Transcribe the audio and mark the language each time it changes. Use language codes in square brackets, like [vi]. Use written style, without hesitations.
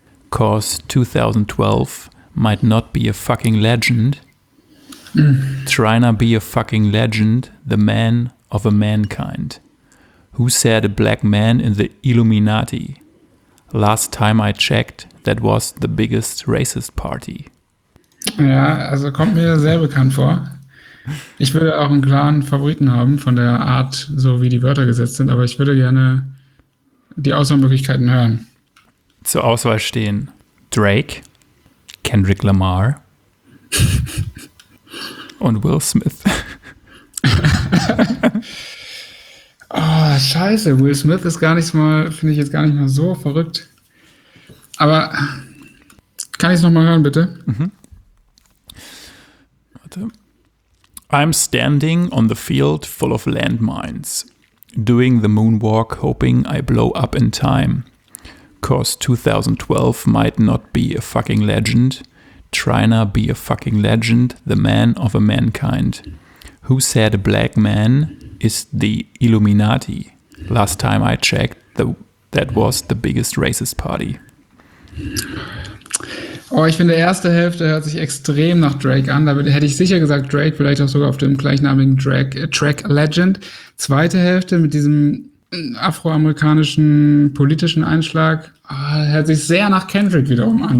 [en] Cause 2012 might not be a fucking legend. Tryna be a fucking legend, the man of a mankind. Who said a black man in the Illuminati? Last time I checked, that was the biggest racist party. [de] Ja, also kommt mir sehr bekannt vor. Ich würde auch einen klaren Favoriten haben von der Art, so wie die Wörter gesetzt sind, aber ich würde gerne die Auswahlmöglichkeiten hören. Zur Auswahl stehen Drake, Kendrick Lamar und Will Smith. Oh, scheiße, Will Smith ist gar nicht mal, finde ich jetzt gar nicht mal so verrückt. Aber kann ich es nochmal hören, bitte? Mhm. Warte. [en] I'm standing on the field full of landmines, doing the moonwalk, hoping I blow up in time. Cause 2012 might not be a fucking legend. Tryna be a fucking legend, the man of a mankind. Who said a black man is the Illuminati? Last time I checked, that was the biggest racist party. [de] Oh, ich finde, erste Hälfte hört sich extrem nach Drake an. Da hätte ich sicher gesagt Drake, vielleicht auch sogar auf dem gleichnamigen Track Legend. Zweite Hälfte mit diesem afroamerikanischen politischen Einschlag, hört sich sehr nach Kendrick wiederum an.